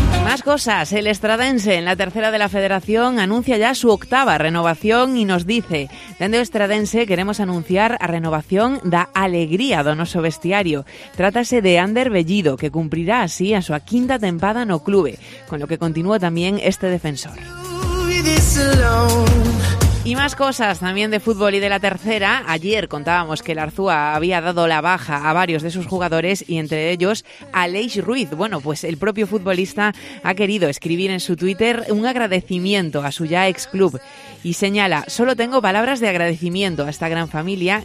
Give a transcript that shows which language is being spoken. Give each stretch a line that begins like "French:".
Spanish: Más cosas. El Estradense, en la tercera de la Federación, anuncia ya su octava renovación y nos dice:
Galician: "Dende o Estradense queremos anunciar a renovación da alegría do noso vestiario. Trátase de Ander Bellido, que cumprirá así a súa quinta tempada no clube,
Spanish: con lo que continúa
Galician: tamén este defensor."
Spanish: Y más cosas también de fútbol y de la tercera. Ayer contábamos que el Arzúa había dado la baja a varios de sus jugadores y entre ellos a Aleix Ruiz. Bueno, pues el propio futbolista ha querido escribir en su Twitter un agradecimiento a su ya ex club y señala: "Solo tengo palabras de agradecimiento a esta gran familia.